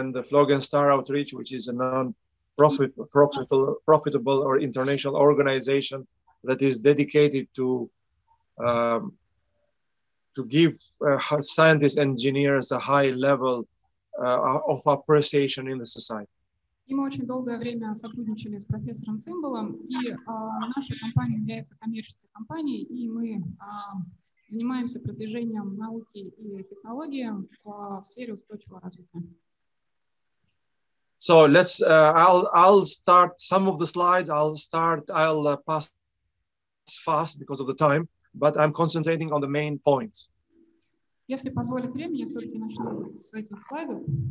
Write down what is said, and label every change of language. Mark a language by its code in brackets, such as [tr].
[en] FOGEN Star Outreach, which is a non-profitable or international organization that is dedicated to give scientists and engineers a high level of appreciation in the society. [ru] И мы очень долгое время сотрудничали с профессором Цимбалом, и наша компания является коммерческой компанией, и мы занимаемся продвижением науки и технологий в сфере устойчивого развития. [en] So let's I'll start some of the slides. I'll pass fast because of the time, but I'm concentrating on the main points. [ru] Если позволит время, я все-таки начну с этих слайдов.